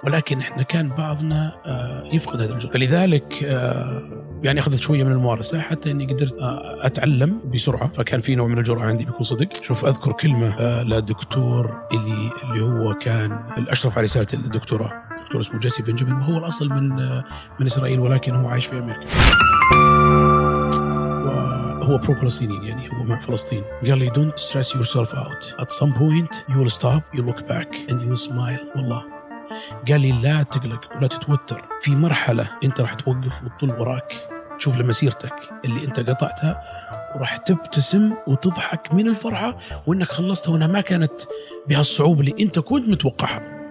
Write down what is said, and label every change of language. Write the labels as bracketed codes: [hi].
[ar] ولكن إحنا كان بعضنا يفقد هذا الجدار، فلذلك يعني أخذت شوية من الممارسة حتى أني قدرت أتعلم بسرعة، فكان في نوع من الجرعة عندي بكل صدق. شوف، أذكر كلمة للدكتور اللي هو كان الأشرف على رسالة الدكتورة، دكتور اسمه جيسي بنجامين، وهو الأصل من إسرائيل ولكن هو عايش في أمريكا، هو برو فلسطيني، يعني هو مع فلسطين. قال لي [en] don't stress yourself out. At some point you will stop, you look back and you smile. [ar] والله قال لي لا تقلق ولا تتوتر، في مرحلة انت راح توقف وتطل وراك تشوف لمسيرتك اللي انت قطعتها وراح تبتسم وتضحك من الفرحة وانك خلصتها، وانها ما كانت بهالصعوبة اللي انت كنت متوقعها.